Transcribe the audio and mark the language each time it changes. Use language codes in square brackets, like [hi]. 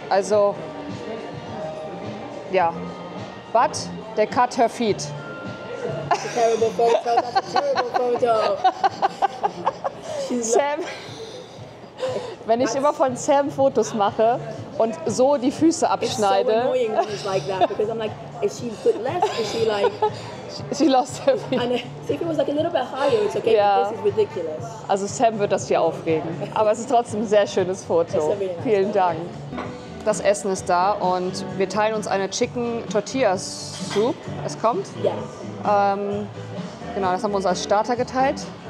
[de] Also, ja. [en] But they cut her feet. That's a terrible photo. [de] Wenn ich immer von Sam Fotos mache und so die Füße abschneide. [en] It's so annoying when he's like that, because I'm like, is she footless? Is she like... She lost her feet. And if it was like a little bit higher, it's okay, yeah. This is ridiculous. [de] Also Sam wird das hier aufregen. Aber es ist trotzdem ein sehr schönes Foto. [en] It's a really nice [de] Vielen [en] photo. [de] Dank. Das Essen ist da und wir teilen uns eine Chicken Tortilla Soup. Es kommt. Ja. Yes. Genau, das haben wir uns als Starter geteilt.